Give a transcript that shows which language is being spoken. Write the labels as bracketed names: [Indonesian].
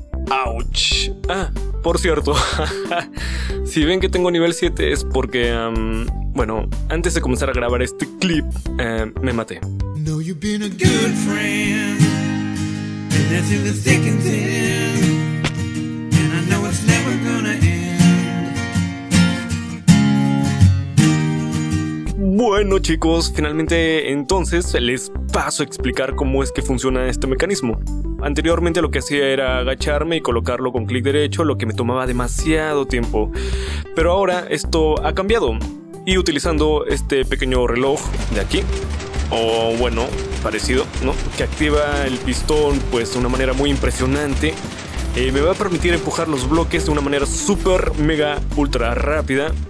[Spanish] ¡Auch! Ah, por cierto, si ven que tengo nivel 7 es porque, bueno, antes de comenzar a grabar este clip, me maté. [English] No, you've been a good friend. Nothing is thick and thin, and I know it's never gonna end. [Spanish] Bueno chicos, finalmente entonces les paso a explicar cómo es que funciona este mecanismo. Anteriormente lo que hacía era agacharme y colocarlo con clic derecho, lo que me tomaba demasiado tiempo. Pero ahora esto ha cambiado, y utilizando este pequeño reloj de aquí, o bueno, parecido, ¿no?, que activa el pistón pues de una manera muy impresionante, me va a permitir empujar los bloques de una manera super mega ultra rápida.